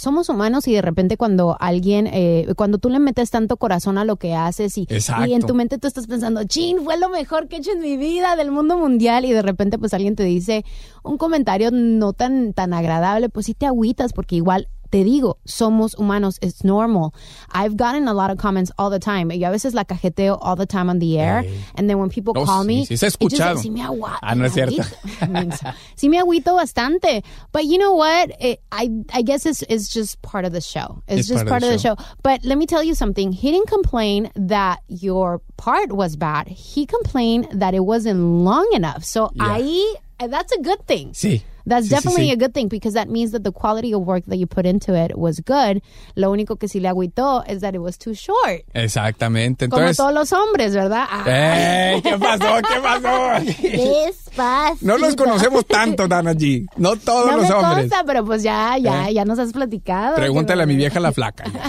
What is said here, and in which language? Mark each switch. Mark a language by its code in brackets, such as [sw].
[es] Somos humanos y de repente cuando alguien, cuando tú le metes tanto corazón a lo que haces y en tu mente tú estás pensando, chin, fue lo mejor que he hecho en mi vida del mundo mundial, y de repente pues alguien te dice un comentario no tan agradable, pues sí te agüitas, porque igual te digo, somos humanos, [en] it's normal. I've gotten a lot of comments all the time. [es] Yo a veces la cajeteo [en] all the time on the air. Hey. And then when people call me... [es] Sí, se ha escuchado. [en] Just, [es] no es cierto. Sí me agüito bastante. [en] But you know what? I guess it's just part of the show. It's just part of the show. But let me tell you something. He didn't complain that your part was bad. He complained that it wasn't long enough. So that's a good thing. [es] Sí. [en] That's definitely a good thing, because that means that the quality of work that you put into it was good. [es] Lo único que sí le agüitó es [en] that it was too short. [es] Exactamente. Entonces, como todos los hombres, ¿verdad? ¡Ey! ¿Qué pasó? Despacito. No los conocemos tanto, Dana G. No todos los hombres. No me consta, pero pues ya nos has platicado. Pregúntale a mi vieja la flaca.